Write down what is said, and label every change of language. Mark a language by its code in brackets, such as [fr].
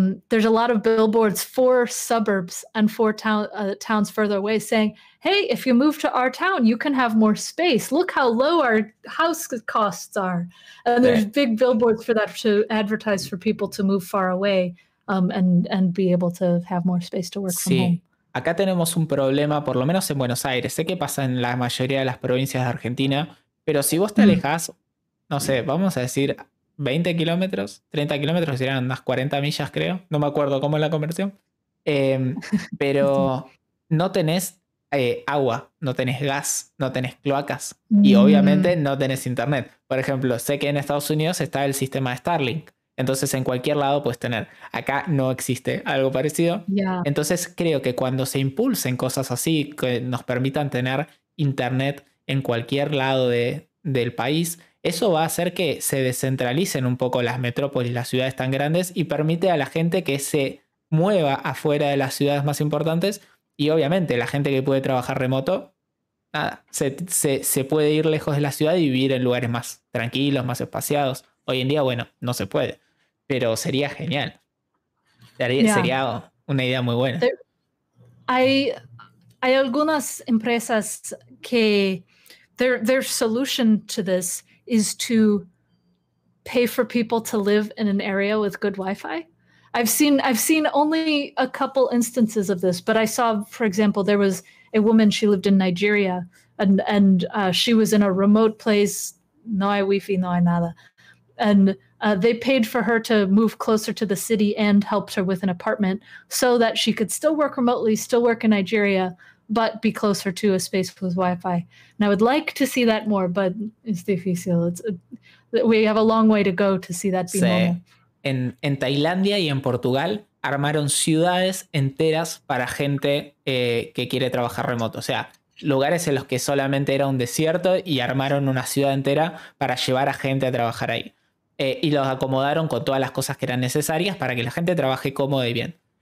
[en] There's a lot of billboards for suburbs and for towns further away saying, hey, if you move to our town, you can have more space. Look how low our house costs are. And there's big billboards for that to advertise for people to move far away and be able to have more space to work from home. [es] Acá tenemos un problema, por lo menos en Buenos Aires. Sé que pasa en la mayoría de las provincias de Argentina, pero si vos te alejas, no sé, vamos a decir 20 kilómetros, 30 kilómetros, serían unas 40 millas, creo. No me acuerdo cómo es la conversión. Pero no tenés agua, no tenés gas, no tenés cloacas. Y obviamente no tenés internet. Por ejemplo, sé que en Estados Unidos está el sistema Starlink. Entonces en cualquier lado puedes tener. Acá no existe algo parecido. Entonces creo que cuando se impulsen cosas así que nos permitan tener internet en cualquier lado del país, eso va a hacer que se descentralicen un poco las metrópolis, las ciudades tan grandes, y permite a la gente que se mueva afuera de las ciudades más importantes, y obviamente la gente que puede trabajar remoto, nada, se puede ir lejos de la ciudad y vivir en lugares más tranquilos, más espaciados. Hoy en día, bueno, no se puede, pero sería genial. Sería una idea muy buena. Hay algunas empresas que [en] their solution to this is to pay for people to live in an area with good Wi-Fi. I've seen only a couple instances of this, but I saw, for example, there was a woman, she lived in Nigeria, and she was in a remote place, [es] no hay Wi-Fi, no hay nada. [en] And they paid for her to move closer to the city and helped her with an apartment so that she could still work remotely, still work in Nigeria, but be closer to a space with Wi-Fi. And I would like to see that more, but it's difícil. We have a long way to go to see that be normal. [es] En Tailandia y en Portugal armaron ciudades enteras para gente que quiere trabajar remoto. O sea, lugares en los que solamente era un desierto y armaron una ciudad entera para llevar a gente a trabajar ahí. Y los acomodaron con todas las cosas que eran necesarias para que la gente trabaje cómoda y bien.